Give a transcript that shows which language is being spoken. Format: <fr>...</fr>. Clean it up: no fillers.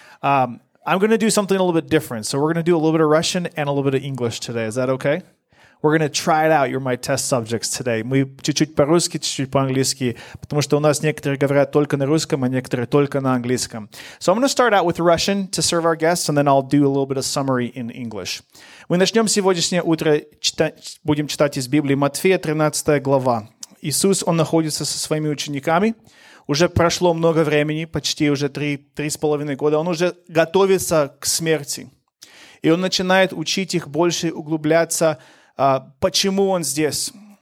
<en>I'm going to do something a little bit different. So we're going to do a little bit of Russian and a little bit of English today. Is that okay? We're going to try it out. You're my test subjects today.</en> <ru>Мы чуть-чуть по-русски, чуть-чуть по-английски, потому что у нас некоторые говорят только на русском, а некоторые только на английском.</ru> <en>So I'm going to start out with Russian to serve our guests, and then I'll do a little bit of summary in English.</en> <ru>Мы начнем сегодняшнее утро, будем читать из Библии Матфея, 13 глава. Иисус, Он находится со Своими учениками. Уже прошло много времени, почти уже 3-3.5 года. Он уже готовится к смерти. И Он начинает учить их больше углубляться, почему Он здесь.</ru>